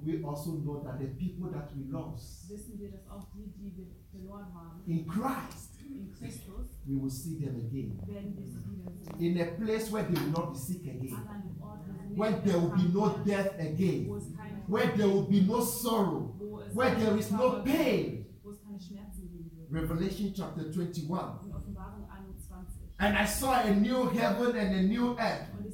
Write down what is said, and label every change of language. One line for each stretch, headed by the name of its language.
English: we also know that the people that we lost,
German: wissen wir, dass auch die, die wir verloren haben,
English: in Christ,
German: in Christus,
English: we will see them again.
German: Werden
English: in a place where they will not be sick again. Where there will be no death again. Where there will be no sorrow. Where there is no pain. Revelation chapter 21. And I saw a new heaven and a new earth.